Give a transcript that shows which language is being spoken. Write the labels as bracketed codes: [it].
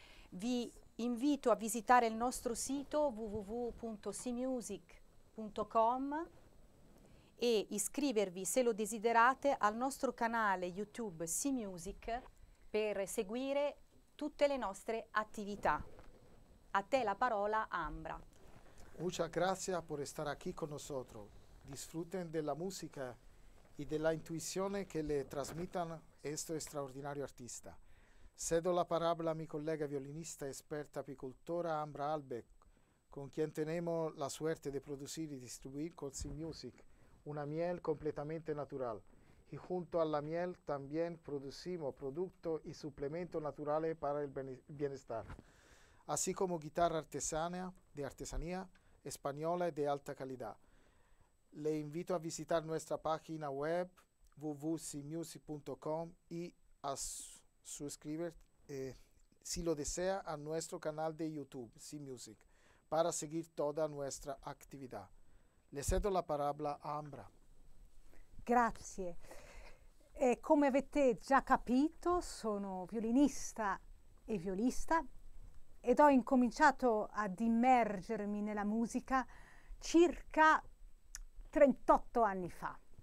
[it] Vi invito a visitare il nostro sito www.cmusic.com e iscrivervi, se lo desiderate, al nostro canale YouTube C-Music per seguire tutte le nostre attività. A te la parola, Ambra. [es] Muchas gracias por estar aquí con nosotros. Disfruten de la música y de la intuición que le transmitan este extraordinario artista. Cedo la palabra a mi colega violinista, experta apicultora Ambra Albeck, con quien tenemos la suerte de producir y distribuir con C-Music una miel completamente natural. Y junto a la miel también producimos productos y suplementos naturales para el bienestar, así como guitarra artesana, de artesanía española y de alta calidad. Le invito a visitar nuestra página web www.cmusic.com y a suscribirse, si lo desea, a nuestro canal de YouTube, C-Music, para seguir toda nuestra actividad. Le cedo la palabra a Ambra. [it] Grazie. E come avete già capito, sono violinista e violista ed ho incominciato ad immergermi nella musica circa 38 anni fa.